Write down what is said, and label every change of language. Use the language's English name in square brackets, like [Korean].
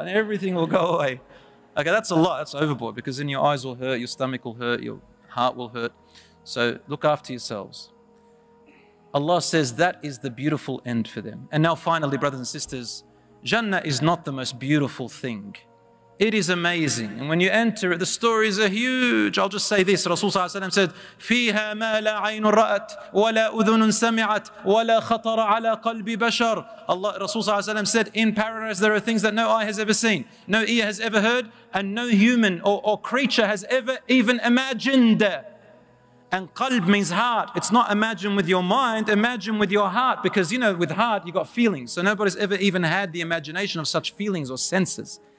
[English] And everything will go away. Okay, that's a lot. That's overboard. Because then your eyes will hurt, your stomach will hurt, your heart will hurt. So look after yourselves. Allah says that is the beautiful end for them. And now finally, brothers and sisters, Jannah is not the most beautiful thing. It is amazing. And when you enter it, the stories are huge. I'll just say this. [Arabic] Rasul sallallahu alayhi wa sallam said, فِيهَا مَا لَا عَيْنٌ رَأَتْ وَلَا أُذُنٌ سَمِعَتْ وَلَا خَطَرَ عَلَى قَلْبِ بَشَرٍ. [English] Allah, Rasul sallallahu alayhi wa sallam said, in paradise there are things that no eye has ever seen, no ear has ever heard, and no human or creature has ever even imagined. And qalb means heart. It's not imagine with your mind, imagine with your heart. Because, you know, with heart, you got feelings. So nobody's ever even had the imagination of such feelings or senses.